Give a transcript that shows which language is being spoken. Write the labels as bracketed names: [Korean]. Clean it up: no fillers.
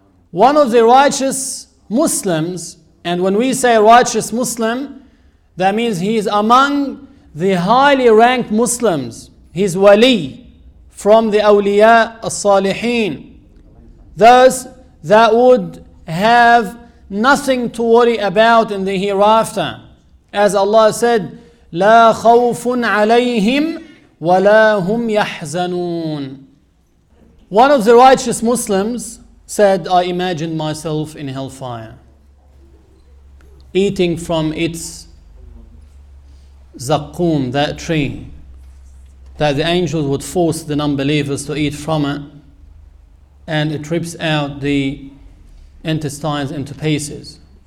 [English] One of the righteous Muslims, and when we say righteous Muslim, that means he is among the highly ranked Muslims. He's wali from the awliya as-salihin. Those that would have nothing to worry about in the hereafter. As Allah said, [Arabic] لا خوف عليهم ولا هم يحزنون. [English] One of the righteous Muslims said, I imagined myself in hellfire, eating from its zakkum, that tree, that the angels would force the non-believers to eat from it, and it rips out the intestines into pieces.